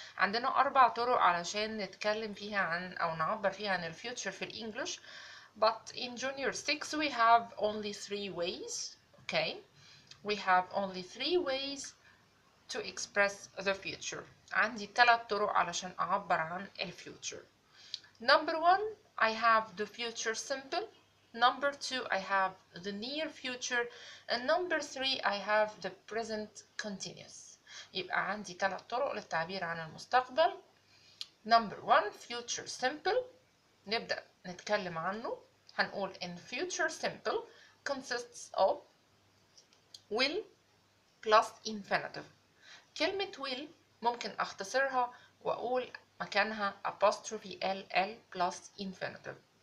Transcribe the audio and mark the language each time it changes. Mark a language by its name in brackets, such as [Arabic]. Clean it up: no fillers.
[Arabic] عندنا أربع طرق علشان نتكلم فيها عن أو نعبر فيها عن ال future في ال English. [English] But in Junior 6, we have only three ways, okay? We have only three ways to express the future. [Arabic] عندي ثلاث طرق علشان أعبر عن الـ future. [English] Number one, I have the future simple. Number two, I have the near future. And number three, I have the present continuous. [Arabic] يبقى عندي ثلاث طرق للتعبير عن المستقبل. [English] Number one, future simple. [Arabic] نبدأ نتكلم عنه. هنقول [English] in future simple consists of will plus infinitive. [Arabic] كلمة will ممكن اختصرها واقول مكانها apostrophe ال ال [English] plus infinitive.